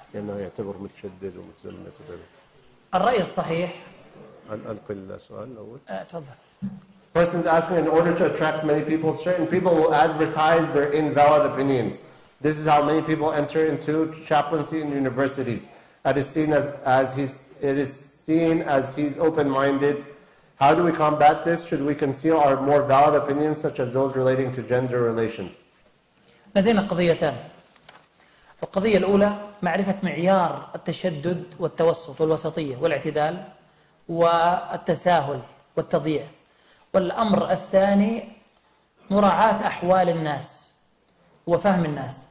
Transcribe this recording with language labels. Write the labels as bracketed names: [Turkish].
[Arabic] لأنه يعتبر متشدد ومتزمت. الرأي الصحيح، ألقي السؤال الأول. تفضل. [English] Persons ask me, in order to attract many people, certain people will advertise their invalid opinions. This is how many people enter into chaplaincy in universities. It is seen as he's open-minded. How do we combat this? Should we conceal our more valid opinions, such as those relating to gender relations? [Arabic] لدينا قضيتان. القضية الأولى معرفة معيار التشدد والتوسط والوسطية والاعتدال والتساهل والتضييع. والأمر الثاني مراعاة أحوال الناس وفهم الناس.